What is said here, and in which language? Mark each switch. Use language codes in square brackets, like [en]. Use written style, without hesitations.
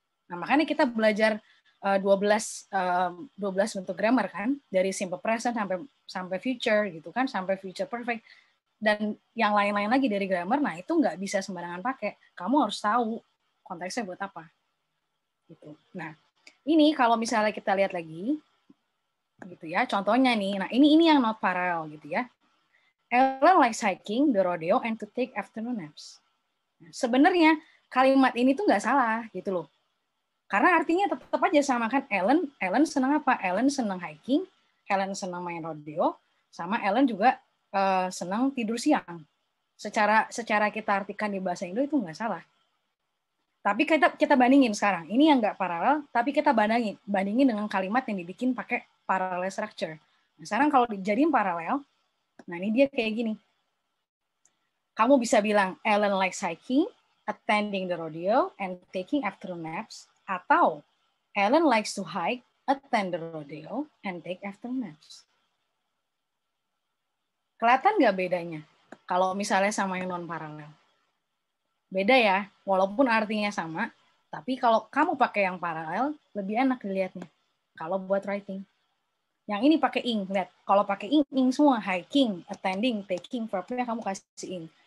[id] Nah, makanya kita belajar 12 bentuk grammar kan, dari simple present sampai future gitu kan, sampai future perfect. dan yang lain-lain lagi dari grammar, nah itu nggak bisa sembarangan pakai. Kamu harus tahu konteksnya buat apa. Gitu. Nah, ini kalau misalnya kita lihat lagi, gitu ya, contohnya nih, nah ini yang not parallel gitu ya. [en] Ellen likes hiking the rodeo and to take afternoon naps. [id] Sebenarnya kalimat ini tuh nggak salah gitu loh. Karena artinya tetap aja sama kan, Ellen senang apa? Ellen senang hiking, Ellen senang main rodeo, sama Ellen juga senang tidur siang. Secara kita artikan di bahasa Indo itu nggak salah. Tapi kita bandingin sekarang, ini yang nggak paralel, tapi kita bandingin dengan kalimat yang dibikin pakai parallel structure. Nah, sekarang kalau dijadiin paralel, nah ini dia kayak gini. [en] Kamu bisa bilang, Ellen likes hiking, attending the rodeo, and taking afternoon naps. Atau, Ellen likes to hike, attend the rodeo, and take afternoon naps. [id] Kelihatan nggak bedanya? Kalau misalnya sama yang non-paralel. Beda ya, walaupun artinya sama, tapi kalau kamu pakai yang paralel, lebih enak dilihatnya. Kalau buat writing. Yang ini pakai ing, lihat. Kalau pakai ing, ing semua. Hiking, attending, taking, verbnya kamu kasih ing.